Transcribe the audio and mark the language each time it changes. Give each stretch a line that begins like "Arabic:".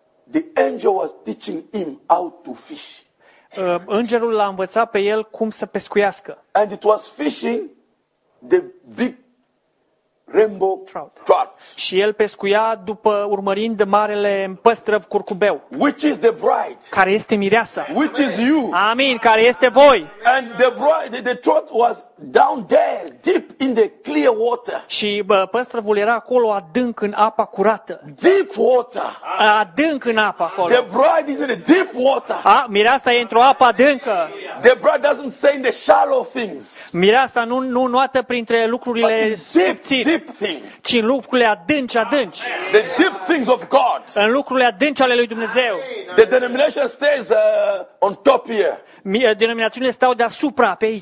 English: the angel was teaching him how to fish.
Romanian: Îngerul l-a învățat pe el cum să pescuiască.
English: And it was fishing the big rainbow trout.
Romanian: Și el pescuia după urmărind de marele păstrăv curcubeu.
English: Which is the bride?
Romanian: Care este mireasa?
English: Which is you?
Romanian: Amin, care este voi?
English: And the bride, the trout was down there, deep in the clear water.
Romanian: Și păstrăvul era acolo adânc în apa curată.
English: Deep water.
Romanian: Adânc în apa acolo.
English: The bride is in a deep water.
Romanian: Mireasa e într-o apă adâncă.
English: The bride doesn't say in the shallow things.
Romanian: Mireasa nu nuată printre lucrurile subțiri.
English: Deep thing.
Romanian: Ci în lucrurile adânci, adânci.
English: The deep things of God.
Romanian: În lucrurile adânci ale lui Dumnezeu.
English: The denomination stays on top here.
Romanian: Denominațiunile stau deasupra pe aici.